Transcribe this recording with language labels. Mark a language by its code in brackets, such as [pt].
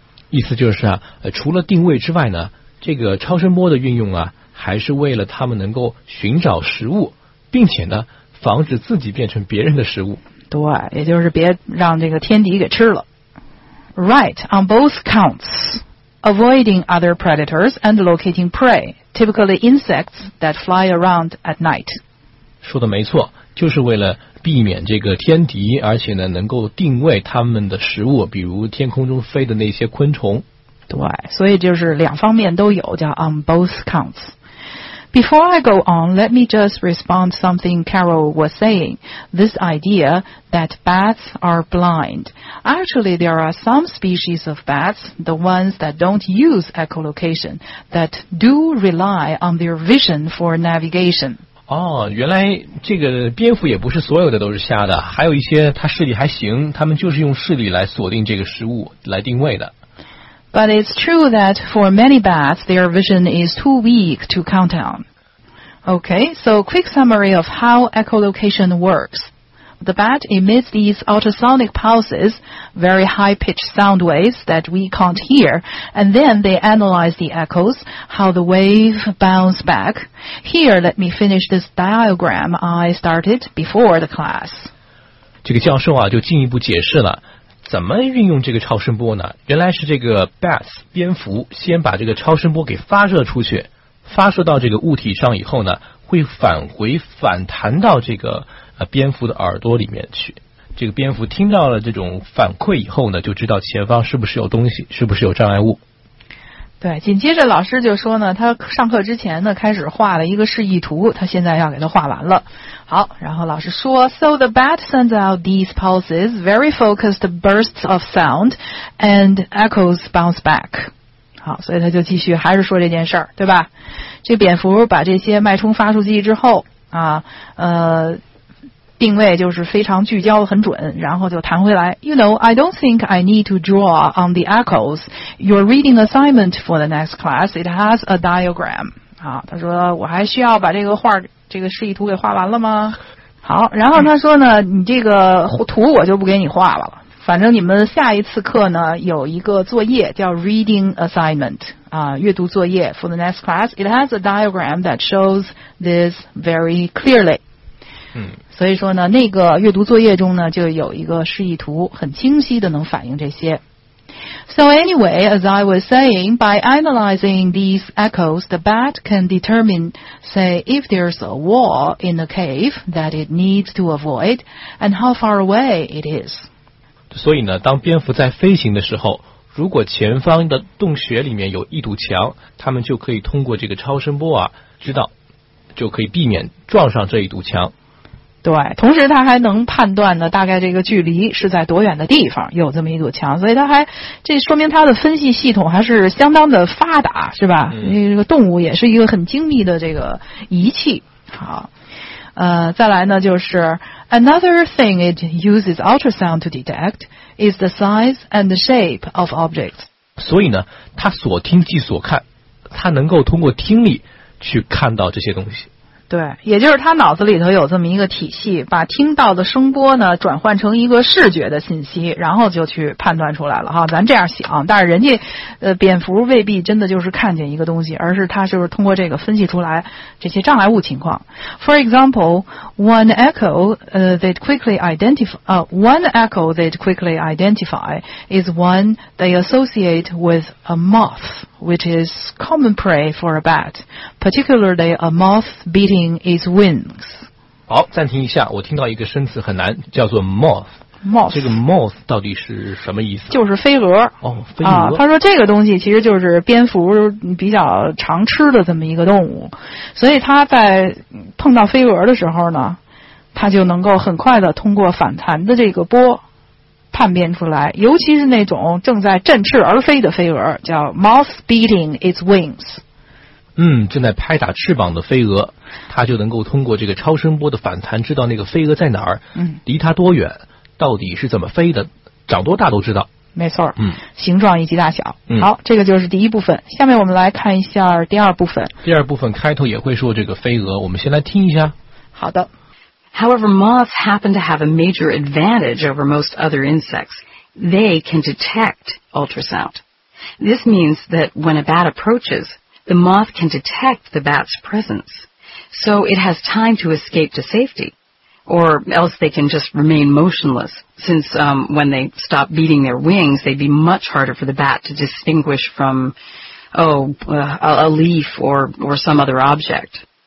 [zh] 意思就是啊，除了定位之外呢，这个超声波的运用啊，还是为了他们能够寻找食物，并且呢防止自己变成别人的食物。对，也就是别让这个天敌给吃了。 [en] Right on both counts. Avoiding other predators and locating prey, typically insects that fly around at night. [zh] 说的没错，就是为了避免这个天敌，而且呢能够定位他们的食物，比如天空中飞的那些昆虫。对，所以就是两方面都有，叫 [en] on both counts. Before I go on, let me just respond to something Carol was saying. This idea that bats are blind. Actually, there are some species of bats, the ones that don't use echolocation, that do rely on their vision for navigation. [zh] 哦，原来这个蝙蝠也不是所有的都是瞎的，还有一些它视力还行，它们就是用视力来锁定这个食物，来定位的。 [en] But it's true that for many bats, their vision is too weak to count on. Okay, so quick summary of how echolocation works. The bat emits these ultrasonic pulses, very high-pitched sound waves that we can't hear, and then they analyze the echoes, how the wave bounces back. Here, let me finish this diagram I started before the class. [zh] 这个教授啊，就进一步解释了。怎么运用这个超声波呢？原来是这个 bats 蝙蝠先把这个超声波给发射出去，发射到这个物体上以后呢，会返回反弹到这个蝙蝠的耳朵里面去。这个蝙蝠听到了这种反馈以后呢，就知道前方是不是有东西，是不是有障碍物。对，紧接着老师就说呢，他上课之前呢开始画了一个示意图，他现在要给他画完了。好，然后老师说 [en] So the bat sends out these pulses, very focused bursts of sound, and echoes bounce back. [zh] 好，所以他就继续还是说这件事儿，对吧？这蝙蝠把这些脉冲发出去之后啊，定位就是非常聚焦很准，然后就弹回来。 [en] You know, I don't think I need to draw on the echoes. Your reading assignment for the next class, it has a diagram. [zh] 好，他说我还需要把这个画这个示意图给画完了吗？好，然后他说呢，你这个图我就不给你画了，反正你们下一次课呢有一个作业叫 reading assignment 啊，阅读作业 [en] for the next class, it has a diagram that shows this very clearly. [zh] 所以说呢，那个阅读作业中呢就有一个示意图，很清晰的能反映这些。 [en] So anyway, as I was saying, by analyzing these echoes, the bat can determine, say, if there's a wall in a cave that it needs to avoid and how far away it is. [zh] 所以呢，当蝙蝠在飞行的时候，如果前方的洞穴里面有一堵墙，它们就可以通过这个超声波啊知道，就可以避免撞上这一堵墙。对，同时他还能判断呢，大概这个距离是在多远的地方有这么一堵墙，所以他还，这说明他的分析系统还是相当的发达，是吧？这个动物也是一个很精密的这个仪器。好，再来呢，就是 [en] another thing it uses ultrasound to detect is the size and the shape of objects. [zh] 所以呢，他所听即所看，他能够通过听力去看到这些东西。对，也就是他脑子里头有这么一个体系，把听到的声波呢转换成一个视觉的信息，然后就去判断出来了哈。咱这样想，但是人家蝙蝠未必真的就是看见一个东西，而是他就是通过这个分析出来这些障碍物情况。 [en] For example, one echo they'd quickly identify is one they associate with a moth. Which is common prey for a bat, particularly a moth beating its wings. [zh] 好，暂停一下，我听到一个生词很难，叫做 moth。 [en] moth [zh] 这个 moth 到底是什么意思？就是飞蛾。哦，飞蛾。啊，他说这个东西其实就是蝙蝠比较常吃的这么一个动物，所以他在碰到飞蛾的时候呢，他就能够很快的通过反弹的这个波。叛变出来，尤其是那种正在振翅而飞的飞蛾，叫 [en] moth beating its wings。 [zh] 正在拍打翅膀的飞蛾，它就能够通过这个超声波的反弹，知道那个飞蛾在哪儿，离它多远，到底是怎么飞的，长多大都知道。没错，形状以及大小。嗯，好，这个就是第一部分。下面我们来看一下第二部分。第二部分开头也会说这个飞蛾，我们先来听一下。好的。 [en] However, moths happen to have a major advantage over most other insects. They can detect ultrasound. This means that when a bat approaches, the moth can detect the bat's presence. so it has time to escape to safety. Or else they can just remain motionless, since when they stop beating their wings, they'd be much harder for the bat to distinguish from, a leaf or some other object.